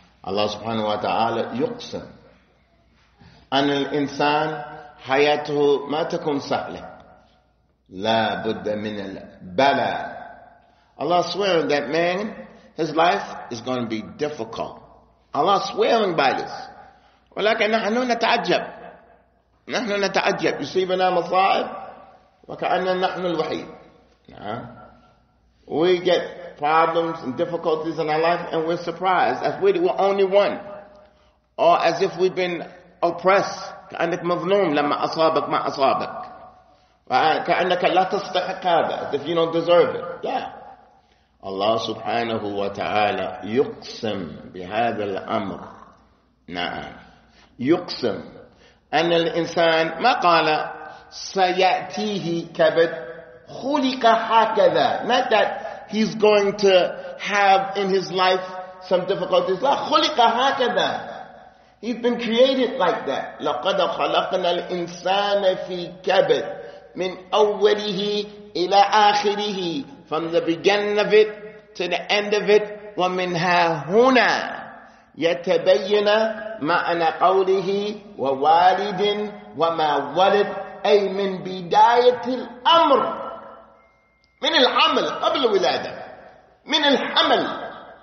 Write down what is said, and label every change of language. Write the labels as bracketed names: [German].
[Arabic] الله سبحانه وتعالى يقسم أن الإنسان حياته ما تكون سهلة, لا بد من البلاء. [English] Allah swearing that man, his life is going to be difficult. Allah swearing by this. [Arabic] ولكن نحن نتعجب. نحن نتعجب. يصيبنا مصائب وكأننا نحن الوحيد. نعم. [English] We get problems and difficulties in our life and we're surprised as we're the only one. Or as if we've been oppressed. [Arabic] كأنك مظلوم لما أصابك ما أصابك. كأنك لا تستحق هذا, [English] as if you don't deserve it. Yeah. [Arabic] الله سبحانه وتعالى يقسم بهذا الأمر. نعم. يقسم أن الإنسان, ما قال سيأتيه كبد, خلق هكذا. [English] Not that he's going to have in his life some difficulties. [Arabic] لا خلق هكذا. [English] He's been created like that. [Arabic] لقد خلقنا الإنسان في كبد من أوله إلى آخره. [English] From the beginning of it to the end of it. [Arabic] ومنها هنا يتبين معنى قوله ووالد وما ولد أي من بداية الأمر من الحمل قبل الولادة من الحمل